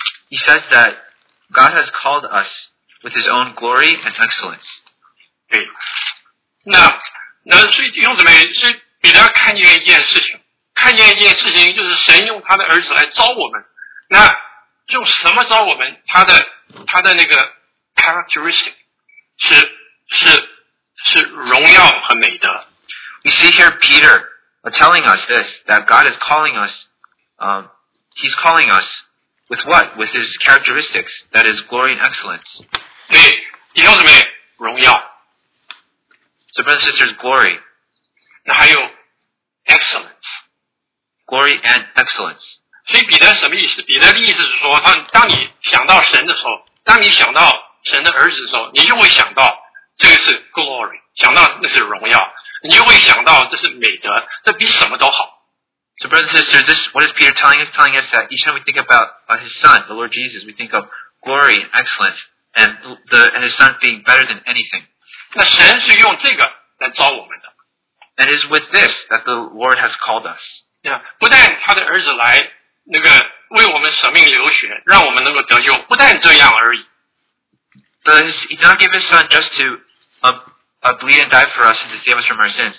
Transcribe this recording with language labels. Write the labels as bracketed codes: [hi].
[en] He says that God has called us with His own glory and excellence. [zh] 对，那所以弟兄姊妹，所以彼得看见一件事情，就是神用他的儿子来招我们。那用什么招我们？他的那个 characteristic 是荣耀和美德。 [en] We see here Peter telling us this, that God is calling us, he's calling us with what? With his characteristics, that is glory and excellence. [zh] 对，弟兄姊妹，荣耀。 [en] So brothers and sisters, glory. [zh] 那还有 excellence. [en] Glory and excellence. [zh] 所以彼得什么意思？彼得的意思是说，当你想到神的时候，当你想到神的儿子的时候，你就会想到这个是 glory， 想到那是荣耀，你就会想到这是美德，这比什么都好。 [en] So brothers and sisters, what is Peter telling us? Telling us that each time we think about his son, the Lord Jesus, we think of glory and excellence, and his son being better than anything. [zh] 那神是用这个来招我们的。 [en] And it's with this that the Lord has called us. [zh] Yeah, 不但他的儿子来那个为我们舍命流血，让我们能够得救，不但这样而已。 [en] But he did not give his son just to bleed and die for us and to save us from our sins.